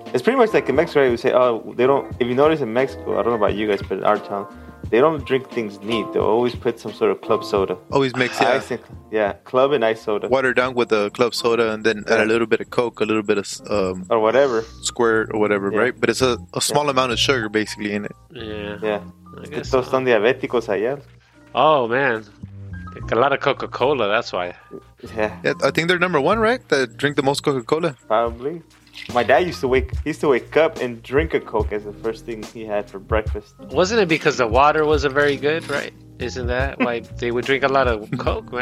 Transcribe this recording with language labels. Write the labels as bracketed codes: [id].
[en] It's pretty much like in Mexico, right? We say, if you notice in Mexico, I don't know about you guys, but in our town, they don't drink things neat. They'll always put some sort of club soda. Always mix, club and ice soda. Water down with the club soda and then add a little bit of Coke, a little bit of... or whatever. Squirt or whatever, right? But it's a small amount of sugar, basically, in it. Yeah. Yeah. [es] Estos son diabéticos allá. [en] Oh, man. A lot of Coca-Cola, that's why. Yeah. I think they're number one, right? That drink the most Coca-Cola. Probably. My dad used to wake up and drink a Coke as the first thing he had for breakfast. Wasn't it because the water wasn't very good, right? Isn't that why they would drink a lot of Coke, man?